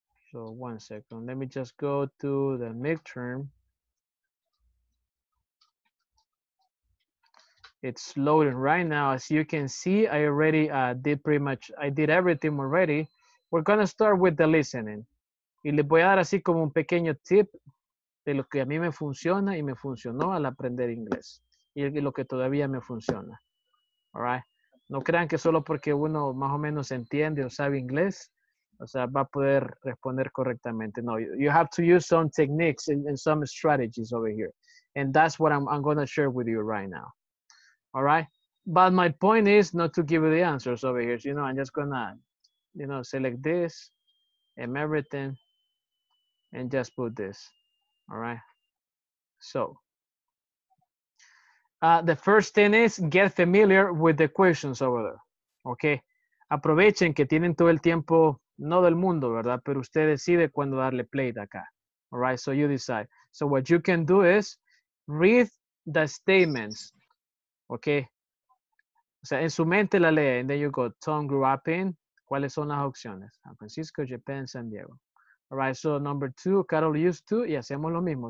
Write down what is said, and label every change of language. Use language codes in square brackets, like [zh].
[en] So one second, let me just go to the midterm. It's loading right now. As you can see, I already did everything already. We're gonna start with the listening. [es] Y les voy a dar así como un pequeño tip de lo que a mí me funciona y me funcionó al aprender inglés. Y lo que todavía me funciona. All right. No crean que solo porque uno más o menos entiende o sabe inglés, o sea, va a poder responder correctamente. [en] No, you have to use some techniques and some strategies over here. And that's what I'm going to share with you right now. All right? But my point is not to give you the answers over here. So, you know, I'm just going to, you know, select this and everything and just put this. All right? So, the first thing is get familiar with the questions over there. [es] Okay? Aprovechen que tienen todo el tiempo. No del mundo, ¿verdad? Pero usted decide cuándo darle play de acá. [en] All right, so you decide. So what you can do is read the statements, okay? [es] O sea, en su mente la lee. [en] And then you go, Tom grew up in. [es] ¿Cuáles son las opciones? San Francisco, Japan, San Diego. [en] All right, so number two, Carol used to. [es] Y hacemos lo mismo.